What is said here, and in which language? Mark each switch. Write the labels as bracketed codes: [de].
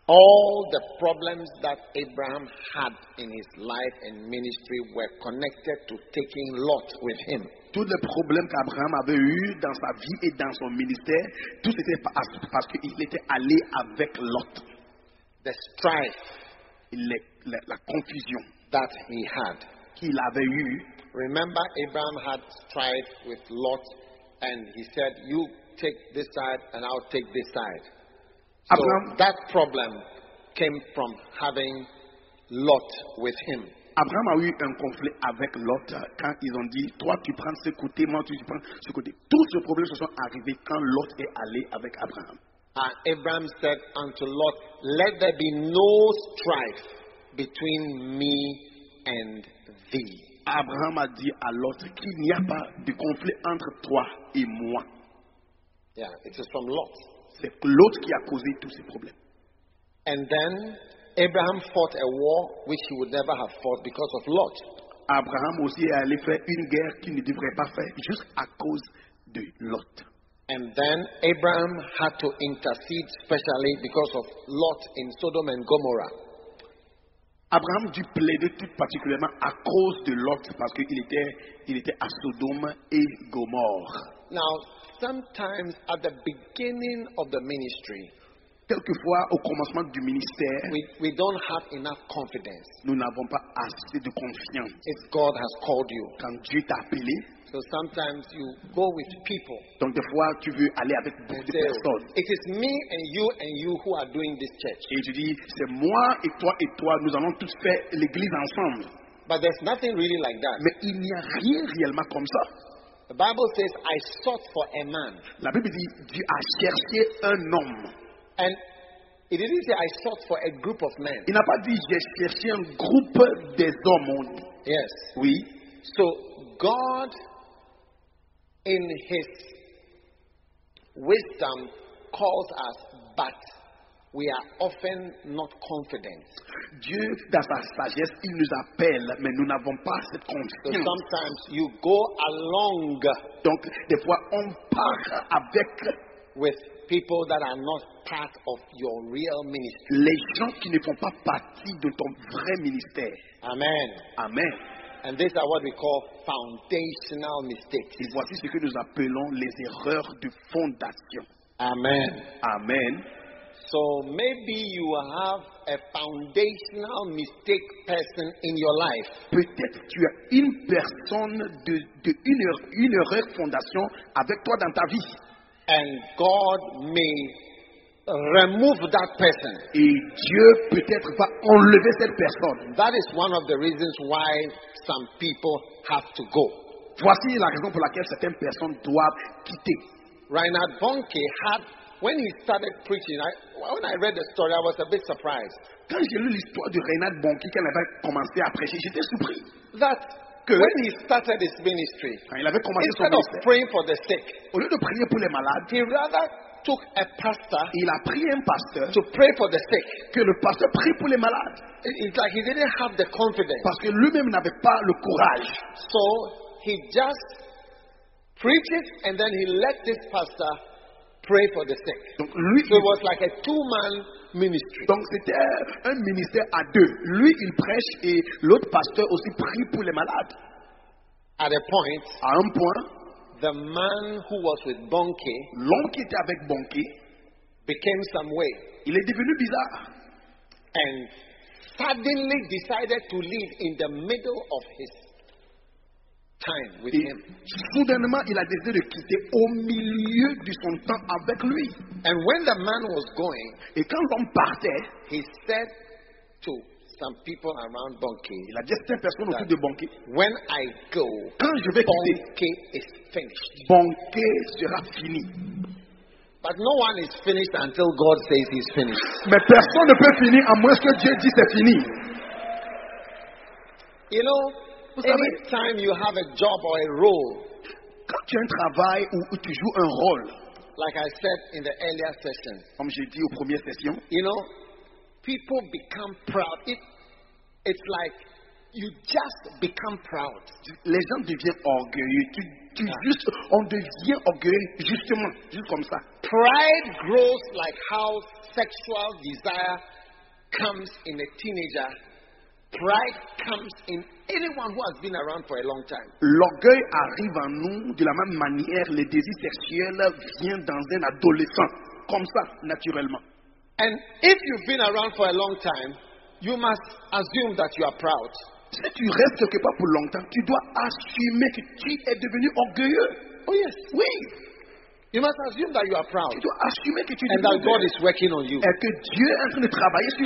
[en] All the problems that Abraham had in his life and ministry were connected to taking Lot with him. [fr] Tous les problèmes qu'Abraham avait eu dans sa vie et dans son ministère, tout c'était parce qu'il était allé avec Lot. [en] The strife, [fr] la confusion [en] that he had, [fr] qu'il avait eu. [en] Remember, Abraham had strife with Lot, and he said, "You take this side, and I'll take this side." Abraham, so that problem came from having Lot with him. [fr] Abraham a eu un conflit avec Lot quand ils ont dit, toi tu prends ce côté, moi tu prends ce côté. Tous ces problèmes se sont arrivés quand Lot est allé avec Abraham. [en] And Abraham said unto Lot, let there be no strife between me and thee. [fr] Abraham a dit à Lot qu'il n'y a pas de conflit entre toi et moi. [en] Yeah, it is from Lot. [fr] C'est Lot qui a causé tous ces problèmes. [en] And then Abraham fought a war which he would never have fought because of Lot. [fr] Abraham aussi est allé faire une guerre qu'il ne devrait pas faire juste à cause de Lot. [en] And then Abraham had to intercede specially because of Lot in Sodom and Gomorrah. [fr] Abraham dut plaider tout particulièrement à cause de Lot parce qu'il était à Sodome et Gomorrhe. [en] Now, sometimes at the beginning of the ministry, [fr] quelquefois au commencement du ministère, [en] we don't have enough confidence. [fr] Nous n'avons pas assez de confiance. [en] If God has called you, [fr] quand Dieu t'a appelé, [en] so sometimes you go with people. [fr] Donc des fois tu veux aller avec beaucoup de personnes. [en] It is me and you who are doing this church. [fr] Et tu dis c'est moi et toi nous allons tous faire l'église ensemble. [en] But there's nothing really like that. [fr] Mais il n'y a rien réellement comme ça. [en] The Bible says, I sought for a man. [fr] La Bible dit, Dieu a cherché un homme. [en] And it didn't say, I sought for a group of men. [fr] Il n'a pas dit, j'ai cherché un groupe des hommes. [en] Yes. [fr] Oui. [en] So, God, in his wisdom, calls us, but we are often not confident. [fr] Dieu, dans sa sagesse, il nous appelle, mais nous n'avons pas cette confiance. [en] So sometimes you go along. [fr] Donc, des fois, on part avec. [en] With people that are not part of your real ministry. [fr] Les gens qui ne font pas partie de ton vrai ministère. [en] Amen. [fr] Amen. [en] And these are what we call foundational mistakes. [fr] Et voici ce que nous appelons les erreurs de fondation. [en] Amen. [fr] Amen. [en] So maybe you have a foundational mistake person in your life. [fr] Peut-être tu as une personne une erreur fondation avec toi dans ta vie. [en] And God may remove that person. [fr] Et Dieu peut-être va enlever cette personne. [en] That is one of the reasons why some people have to go. [fr] Voici la raison pour laquelle certaines personnes doivent quitter. [en] Reinhard Bonnke had. When he started preaching, when I read the story, I was a bit surprised. [fr] Quand j'ai lu l'histoire de Reinhard Bonnke qui avait commencé à prêcher, j'étais surpris. [en] That [fr] que [en] when he started his ministry, [fr] il avait commencé [en] instead [fr] son [en] of praying for the sick, [fr] au lieu de prier pour les malades, [en] he rather took a pastor. [fr] Il a pris un pasteur [en] to pray for the sick. [fr] Que le pasteur prie pour les malades. [en] It's like he didn't have the confidence. [fr] Parce que lui-même n'avait pas le courage. [en] So he just preached and then he let this pastor pray for the sick. [fr] Donc lui, [en] so it was like a two-man ministry. [fr] Donc c'était un ministère à deux. Lui, il prêche et l'autre pasteur aussi prie pour les malades. [en] At a point, [fr] à un point, [en] the man who was with Bonnke, [fr] l'homme qui était avec Bonnke, [en] became some way. [fr] Il est devenu bizarre. [en] And suddenly decided to leave in the middle of his time with him. [fr] Soudainement, il a décidé de quitter au milieu de son temps avec lui. [en] And when the man was going, [fr] et quand l'homme partait, [en] he said to some people around Bonnke, [fr] il a dit à certaines personnes autour de Bonnke, [en] when I go, [fr] quand je vais Bonnke quitter, [en] is finished. [fr] Bonnke sera fini. [en] But no one is finished until God says he's finished. [fr] Mais personne ne peut finir à moins que Dieu dise c'est fini. [en] You know, any time you have a job or a role, [fr] quand tu as un travail ou tu joues un rôle, [en] like I said in the earlier session, [fr] comme j'ai dit aux premières sessions, [en] you know, people become proud. It's like You just become proud. [fr] Les gens deviennent orgueilleux. Juste, on devient orgueilleux justement, juste comme ça. [en] Pride grows like how sexual desire comes in a teenager. Pride comes in anyone who has been around for a long time. [fr] L'orgueil arrive en nous de la même manière le désir sexuel vient dans un adolescent, comme ça, naturellement. [en] And if you've been around for a long time, you must assume that you are proud. [fr] Si tu restes quelque part pour longtemps, tu dois assumer que tu es devenu orgueilleux. [en] Oh yes. [fr] Oui. [en] You must assume that you are proud. [fr] Tu dois assumer que tu es devenu orgueilleux. [en] And that God is working on you. [fr] Et que Dieu est en train de travailler sur